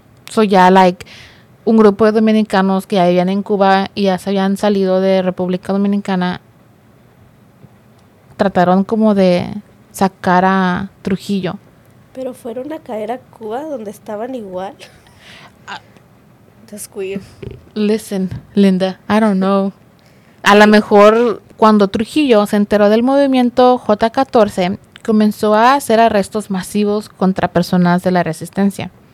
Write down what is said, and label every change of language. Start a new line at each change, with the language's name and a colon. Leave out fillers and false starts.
Spanish: So ya, like, un grupo de dominicanos que ya vivían en Cuba y ya se habían salido de República Dominicana trataron como de sacar a Trujillo. Pero fueron a caer a Cuba donde estaban igual.
English: That's weird. Listen, Linda, I don't know.
Spanish: A lo mejor cuando Trujillo se enteró del movimiento J14, comenzó a hacer arrestos masivos contra personas de la resistencia.